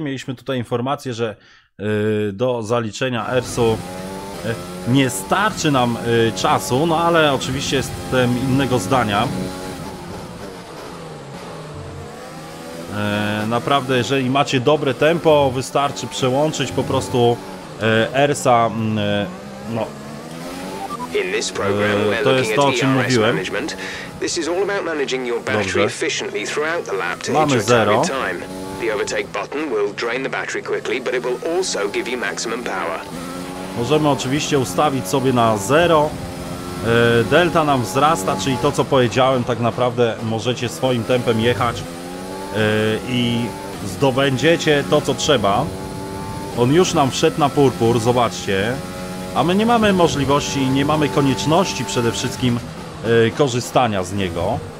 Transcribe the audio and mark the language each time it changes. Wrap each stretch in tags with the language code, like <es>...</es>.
<pl>Mieliśmy tutaj informację, że do zaliczenia ERS-u nie starczy nam czasu, no ale oczywiście jestem innego zdania. Naprawdę, jeżeli macie dobre tempo, wystarczy przełączyć po prostu ERS-a. No.</pl> <en>In this program, we're looking at ERS management. This is all about managing your battery efficiently throughout the lab to hit your target time. The overtake button will drain the battery quickly, but it will also give you maximum power.</en> <pl>Możemy oczywiście ustawić sobie na zero. Delta nam wzrasta, czyli to, co powiedziałem, tak naprawdę możecie swoim tempem jechać i zdobędziecie to, co trzeba. On już nam wszedł na purpur, zobaczcie. A my nie mamy możliwości, nie mamy konieczności przede wszystkim korzystania z niego.</pl>